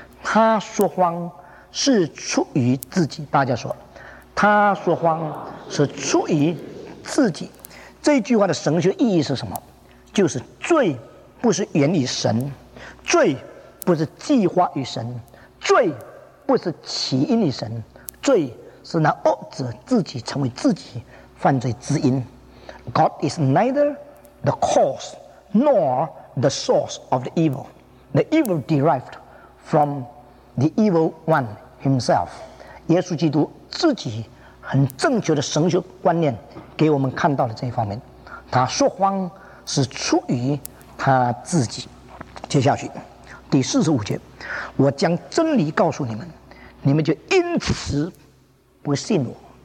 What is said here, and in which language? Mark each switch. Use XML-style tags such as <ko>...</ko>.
<zh>他说谎是出于自己，大家说，他说谎是出于自己。这句话的神学意义是什么？就是罪不是源于神，罪不是计划于神，罪不是起因于神，罪是那恶者自己成为自己犯罪之因。</zh> <en>God is neither the cause nor the source of the evil. The evil derived from the evil one himself.</en> <zh>耶稣基督自己很正确的神学观念给我们看到了这一方面。他说谎是出于他自己。接下去，第四十五节，我将真理告诉你们，你们就因此不信我。</zh>